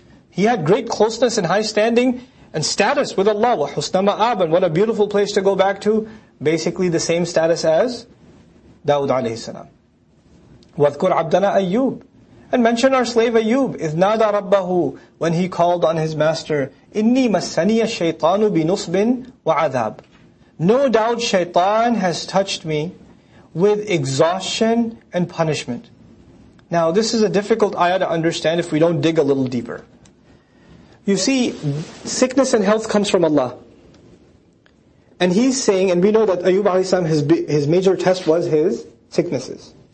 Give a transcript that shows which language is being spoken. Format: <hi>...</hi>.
<en>He had great closeness and high standing and status with Allah.</en> <ar>وحسن مآب,</ar> <en>and what a beautiful place to go back to. Basically the same status as Dawud عليه السلام.</en> <ar>وذكر عبدنا أيوب,</ar> <en>and mention our slave Ayyub.</en> <ar>إذ نادى ربه,</ar> <en>when he called on his master.</en> <ar>إني مسني الشيطان بنصب وعذاب.</ar> <en>No doubt shaitan has touched me with exhaustion and punishment. Now this is a difficult ayah to understand if we don't dig a little deeper. You see, sickness and health comes from Allah. And he's saying, and we know that Ayyub alayhi salam, his major test was his sicknesses.</en>